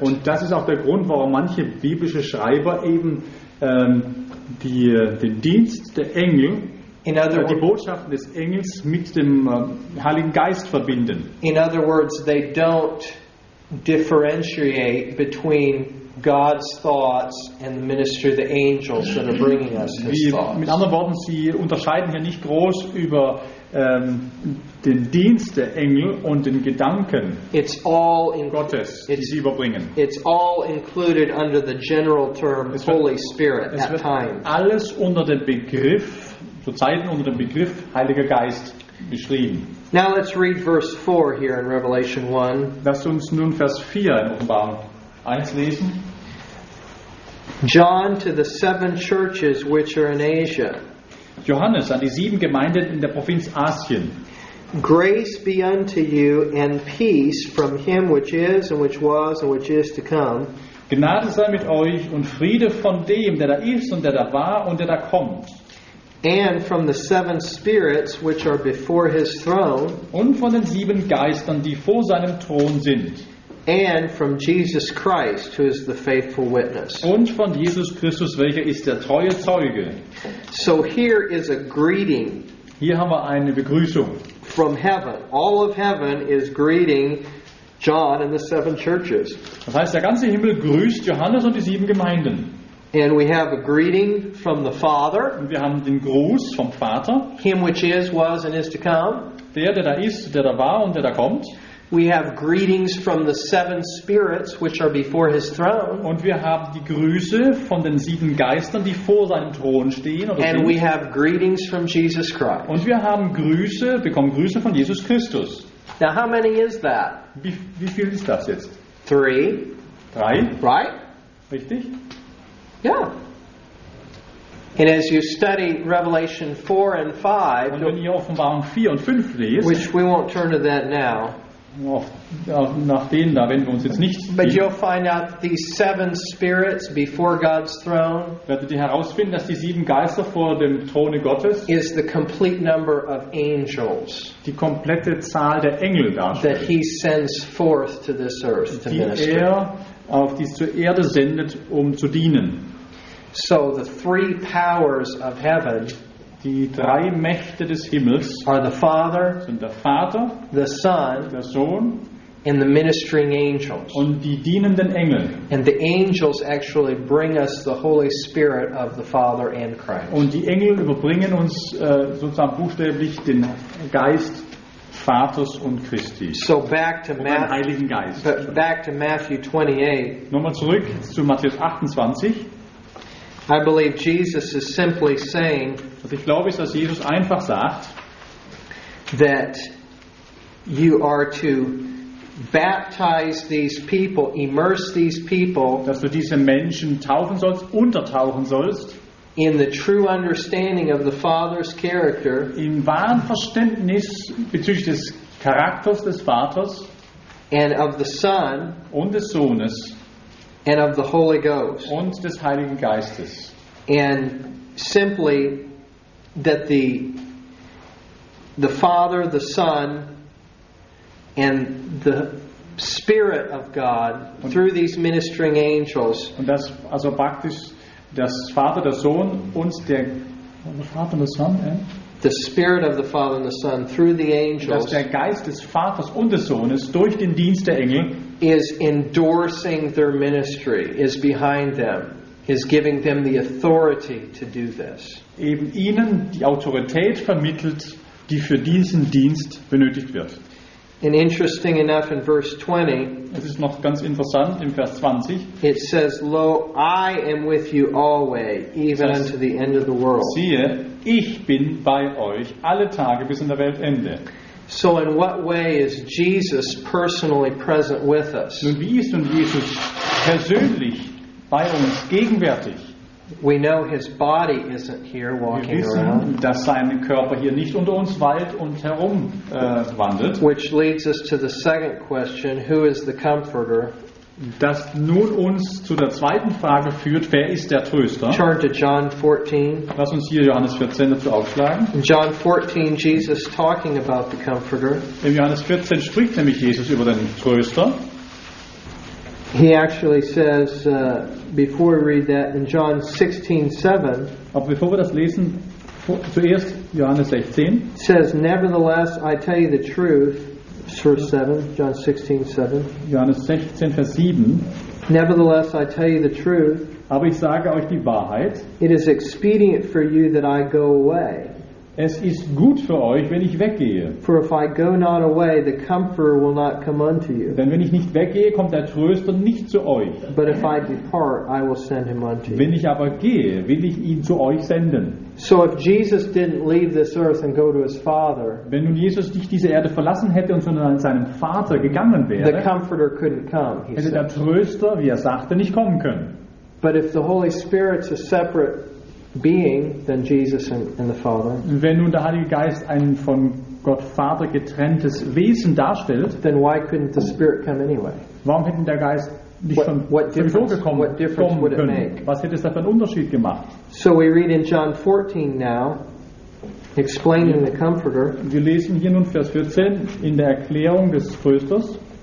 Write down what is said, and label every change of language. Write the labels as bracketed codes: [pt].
[de] Und das ist auch der Grund, warum manche biblische Schreiber eben den Dienst der Engel, die Botschaften des Engels mit dem Heiligen Geist verbinden. [en] In other words, they don't differentiate between God's thoughts and the ministry of the angels that are bringing us his thoughts. [de] Mit anderen Worten, sie unterscheiden hier nicht groß über den Dienst der Engel und den Gedanken Gottes, die sie überbringen. [en] It's all included under the general term Holy Spirit at times. [de] Alles unter dem Begriff, zu Zeiten unter dem Begriff Heiliger Geist beschrieben. [en] Now let's read verse 4 here in Revelation 1. [de] Lass uns nun Vers 4 in Offenbarung 1 lesen. [en] John to the seven churches which are in Asia. [de] Johannes an die sieben Gemeinden in der Provinz Asien. [en] Grace be unto you and peace from him which is and which was and which is to come. [de] Gnade sei mit euch und Friede von dem, der da ist und der da war und der da kommt. [en] And from the seven spirits which are before his throne. [de] Und von den sieben Geistern, die vor seinem Thron sind. [en] And from Jesus Christ, who is the faithful witness. [de] Und von Jesus Christus, welcher ist der treue Zeuge. [en] So here is a greeting. [de] Hier haben wir eine Begrüßung. [en] From heaven. All of heaven is greeting John and the seven churches. [de] Das heißt, der ganze Himmel grüßt Johannes und die sieben Gemeinden. [en] And we have a greeting from the Father. [de] Und wir haben den Gruß vom Vater. [en] Him which is, was and is to come. [de] Der da ist, der da war und der da kommt. [en] We have greetings from the seven spirits which are before his throne. [de] Und wir haben die Grüße von den sieben Geistern, die vor seinem Thron stehen. Oder [en] and we have greetings from Jesus Christ. [de] Und wir haben Grüße, bekommen Grüße von Jesus Christus. [en] Now how many is that? [de] Wie viel ist das jetzt? [en] Three. [de] Drei. [en] Right? [de] Richtig? [en] Yeah. And as you study Revelation 4 and 5, [de] und wenn ihr Offenbarung 4 und 5 lest, [en] which we won't turn to that now, [de] nach denen da wenden wir uns jetzt nicht. [en] But you'll find out these seven spirits before God's throne. [de] Werdet ihr herausfinden, dass die sieben Geister vor dem Throne Gottes [en] is the complete number of angels. [de] Die komplette Zahl der Engel darstellt. [en] That he sends forth to this earth to minister. [de] Die er auf die zur Erde sendet, um zu dienen. [en] So the three powers of heaven. [de] Die drei Mächte des Himmels [en] are the Father, [de] sind der Vater, [en] the Son, [de] der Sohn [en] and the ministering angels. [de] Und die dienenden Engel. [en] And the angels actually bring us the Holy Spirit of the Father and Christ. [de] Und die Engel überbringen uns sozusagen buchstäblich den Geist Vaters und Christi. [en] So back to Matthew, [de] Heiligen Geist. [en] But back to Matthew 28. [de] Nochmal zurück zu Matthäus 28. [en] I believe Jesus is simply saying, [de] was ich glaube, ist, dass Jesus einfach sagt, [en] that you are to baptize these people, immerse these people, [de] dass du diese Menschen taufen sollst, untertauchen sollst, [en] in the true understanding of the Father's character, [de] im wahren Verständnis bezüglich des Charakters des Vaters, [en] and of the Son, [de] und des Sohnes, [en] and of the Holy Ghost, [de] und des Heiligen Geistes, [en] and simply that the Father, the Son, and the Spirit of God through these ministering angels. [de] Und das also praktisch das Vater, der Sohn und der Vater und der Sohn. [en] The Spirit of the Father and the Son through the angels. [de] Dass der Geist des Vaters und des Sohnes durch den Dienst der Engel [en] is endorsing their ministry, is behind them, is giving them the authority to do this. [de] Eben ihnen die Autorität vermittelt, die für diesen Dienst benötigt wird. [en] And interesting enough, in verse 20, [de] es ist noch ganz interessant, in Vers 20, [en] it says, "Lo, I am with you always, even unto the end of the world." [de] Siehe, ich bin bei euch alle Tage bis in der Weltende. [en] So, in what way is Jesus personally present with us? [de] Nun, wie ist nun Jesus persönlich bei uns gegenwärtig? [en] We know his body isn't here walking around. [de] Wir wissen, dass sein Körper hier nicht unter uns weilt und herum wandelt. [en] Which leads us to the second question, who is the comforter? [de] Das nun uns zu der zweiten Frage führt, wer ist der Tröster? [en] Turn to John 14. [de] Lass uns hier Johannes 14 dazu aufschlagen. [en] In John 14, Jesus talking about the comforter. [de] In Johannes 14 spricht nämlich Jesus über den Tröster. [en] He actually says, before we read that, in John 16:7. [de] Aber bevor wir das lesen, zuerst Johannes 16. [en] Says, nevertheless, I tell you the truth, verse 7, John 16:7. [de] Johannes 16, Vers 7. [en] Nevertheless, I tell you the truth. [de] Aber ich sage euch die Wahrheit. [en] It is expedient for you that I go away. [de] Es ist gut für euch, wenn ich weggehe. [en] For if I go not away, the Comforter will not come unto you. [de] Denn wenn ich nicht weggehe, kommt der Tröster nicht zu euch. [en] But if I depart, I will send him unto you. [de] Wenn ich aber gehe, will ich ihn zu euch senden. [en] So if Jesus didn't leave this earth and go to his Father, [de] wenn nun Jesus nicht diese Erde verlassen hätte und sondern an seinem Vater gegangen wäre, [en] the Comforter couldn't come, [de] he hätte der Tröster, wie sagte, nicht kommen können. [en] But if the Holy Spirit's a separate being than Jesus and the Father. [de] Wenn nun der Heilige Geist ein von Gott Vater getrenntes Wesen darstellt, [en] then why couldn't the Spirit come anyway? [de] Warum hätte der Geist nicht [en] what difference would it make? [de] Was hätte es da für einen Unterschied gemacht? [en] So we read in John 14 now, explaining the Comforter. [de] Wir lesen hier nun Vers 14 in der Erklärung des Trösters.